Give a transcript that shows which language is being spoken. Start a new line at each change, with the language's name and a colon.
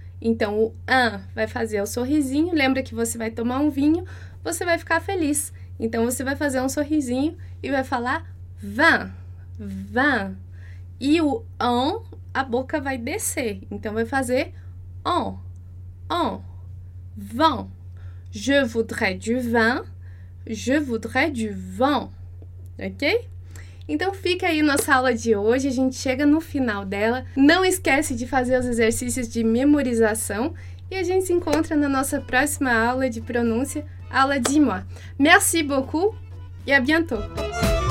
Portuguese: Então o an vai fazer o sorrisinho. Lembra que você vai tomar um vinho, você vai ficar feliz. Então você vai fazer um sorrisinho e vai falar vin, vin. E o on, a boca vai descer. Então vai fazer on, on, vin.
French: Je voudrais du vin, je voudrais du vin. Ok?
Portuguese: Então fica aí nossa aula de hoje. A gente chega no final dela. Não esquece de fazer os exercícios de memorização e a gente se encontra na nossa próxima aula de pronúncia.
French: À la dis-moi. Merci beaucoup et à bientôt.